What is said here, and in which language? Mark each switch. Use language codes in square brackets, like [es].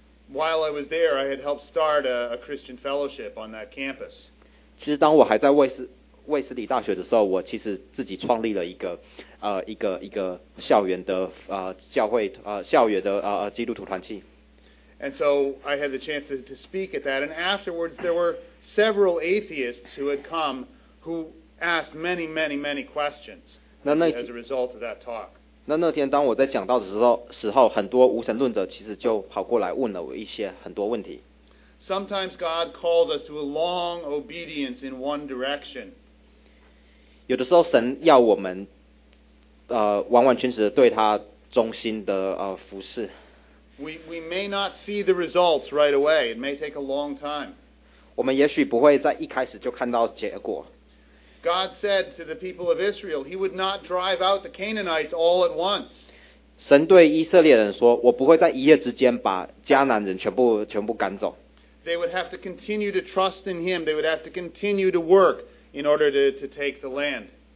[en] While I was there, I had helped start a Christian fellowship on that campus. [zh] 其实当我还在卫斯理大学的时候，我其实自己创立了一个校园的教会校园的基督徒团契。 [en] And so I had the chance to speak at that. And afterwards, there were several atheists who had come who asked many, many, many questions as a result of that talk. [zh] 那天当我在讲到的时候，很多无神论者其实就跑过来问了我一些很多问题。 [en] Sometimes God calls us to a long obedience in one direction. [zh] 有的时候神要我们完完全全的对他忠心的服事。 [en] We may not see the results right away. It may take a long time. [zh] 我们也许不会在一开始就看到结果。 [en] God said to the people of Israel, He would not drive out the Canaanites all at once. [zh] 神对以色列人说，我不会在一夜之间把迦南人全部赶走。 [en] They would have to continue to trust in Him. They would have to continue to work in order to take the land.